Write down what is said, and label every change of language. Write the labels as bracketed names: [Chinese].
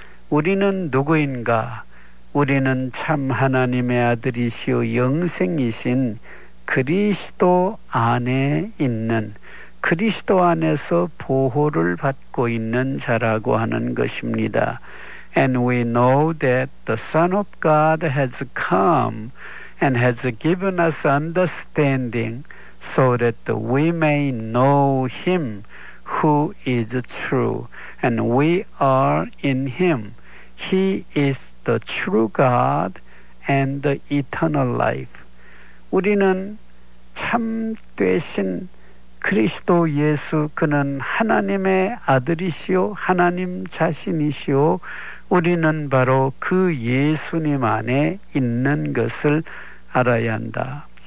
[Korean] 우리는 누구인가? 우리는 참 하나님의 아들이시오 영생이신 그리스도 안에 있는, 그리스도 안에서 보호를 받고 있는 자라고 하는 것입니다. [English] And we know that the Son of God has come and has given us understanding so that we may know him who is true, and we are in him. He is the true God and the eternal life. [Korean] 우리는 참되신 그리스도 예수, 그는 하나님의 아들이시오, 하나님 자신이시오, 우리는 바로 그 예수님 안에 있는 것을 알아야 한다.